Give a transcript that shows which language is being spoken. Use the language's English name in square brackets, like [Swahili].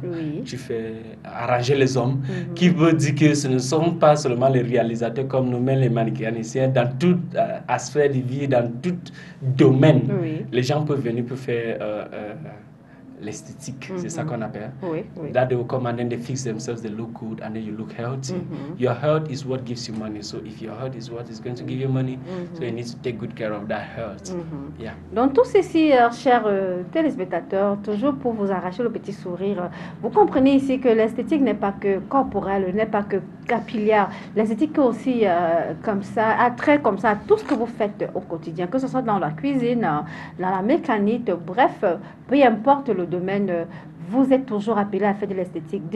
[French] oui. tu fais arranger les hommes, mm-hmm. qui veut dire que ce ne sont pas seulement les réalisateurs comme nous, mais les manicuriens, dans toute sphère de vie, dans tout domaine, oui. les gens peuvent venir pour faire l'esthétique, mm-hmm. c'est ça qu'on appelle. Oui, oui. [English] That they will come and then they fix themselves, they look good and then you look healthy. Mm-hmm. Your health is what gives you money. So if your health is what is going to give you money, mm-hmm. so you need to take good care of that health. Mm-hmm. Yeah. [French] Donc tout ceci, chers téléspectateurs, toujours pour vous arracher le petit sourire, vous comprenez ici que l'esthétique n'est pas que corporelle, n'est pas que capillaire. L'esthétique aussi comme ça, a trait comme ça à tout ce que vous faites au quotidien, que ce soit dans la cuisine, dans la mécanique, bref, peu importe le domaine, vous êtes toujours appelé à faire de l'esthétique.